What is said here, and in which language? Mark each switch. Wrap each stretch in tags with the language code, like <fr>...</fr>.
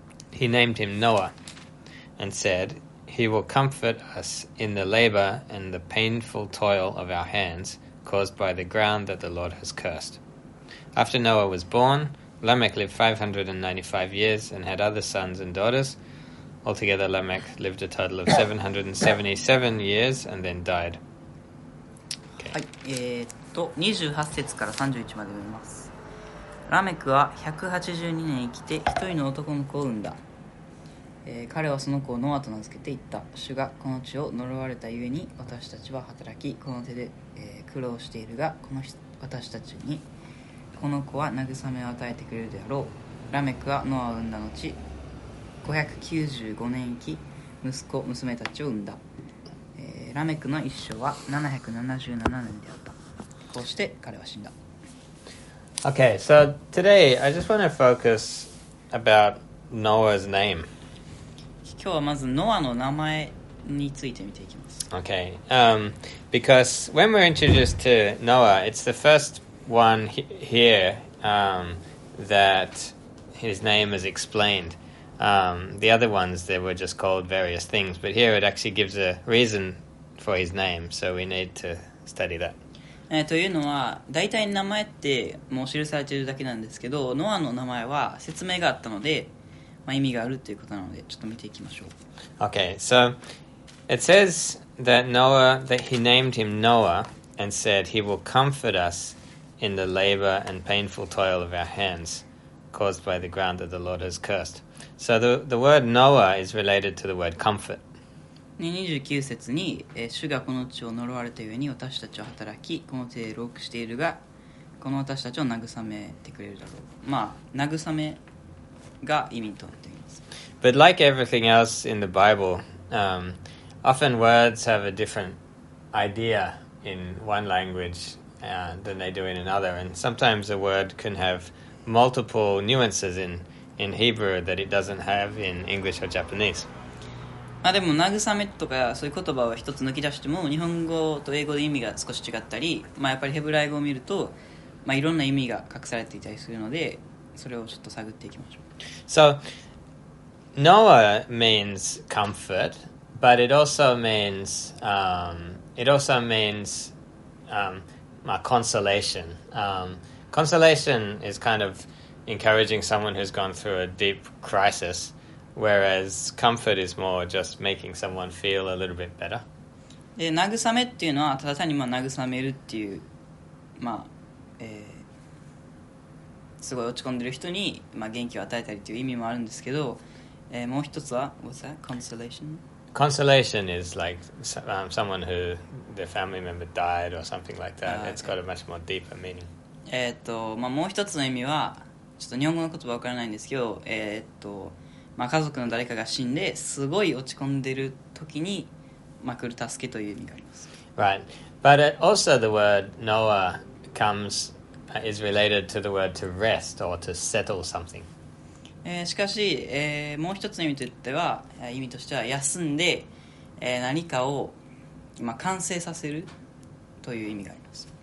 <en>He named him Noah and said, He will comfort us in the labor and the painful toil of our hands caused by the ground that the Lord has cursed. After Noah was born, Lamech lived 595 years and had other sons and daughters. Altogether, Lamech lived a total of 777 years and then died.</en> <ja>はい、28節から31まで読みます。ラメクは182年生きて一人の男の子を産んだ、彼はその子をノアと名付けて言った。主がこの地を呪われたゆえに私たちは働きこの手で、苦労しているが、この私たちにこの子は慰めを与えてくれるであろう。ラメクはノアを産んだ後595年生き、息子娘たちを産んだ。ラメクの一生は777年であった。こうして彼は死んだ。</ja> <en>Okay, so today I just want to focus about Noah's name.</en> <ja>今日はまずノアの名前について見ていきます。</ja> <en>Okay, because when we're introduced to Noah, it's the first one here that his name is explained. The other ones, they were just called various things, but here it actually gives a reason for his name, so we need to study that.</en> <ja>というのは、大体名前ってもう記されているだけなんですけど、ノアの名前は説明があったので、まあ、意味があるということなので、ちょっと見ていきましょう。</ja> <en>Okay, so it says that Noah, that he named him Noah and said he will comfort us in the labor and painful toil of our hands caused by the ground that the Lord has cursed. So the word Noah is related to the word comfort.</en> <ja>29節に、主がこの地を呪われたゆえに私たちは働きこの手で労苦しているが、この私たちを慰めてくれるだろう。まあ、慰めが意味となっています。</ja> <en>But like everything else in the Bible, often words have a different idea in one language than they do in another, and sometimes a word can have multiple nuances in Hebrew that it doesn't have in English or Japanese.</en> <ja>まあ、でも慰めとかそういう言葉を一つ抜き出しても日本語と英語で意味が少し違ったり、まあ、やっぱりヘブライ語を見ると、まあ、いろんな意味が隠されていたりするので、それをちょっと探っていきましょう。</ja> <en>So Noah means comfort, but it also means consolation. Consolation is kind of encouraging someone who's gone through a deep crisisWhereas comfort is more just making someone feel a little bit better.</en> <ja>で、慰めっていうのはただ単にまあ慰めるっていう、まあ、すごい落ち込んでる人にまあ元気を与えたりっていう意味もあるんですけど、もう一つは</ja> <en>what's that? Consolation? Consolation is like someone who their family member died or something like that. It's got a much more deeper meaning.</en> <ja>まあ、もう一つの意味はちょっと日本語の言葉わからないんですけど、まあ、家族の誰かが死んですごい落ち込んでる時にまくる助けという意味があります。</ja> <en>Right. But also the word Noah is related to the word to rest or to settle something.</en> <ja>しかし、もう一つの意味といっては、意味としては休んで、何かを、まあ、完成させるという意味があります。</ja>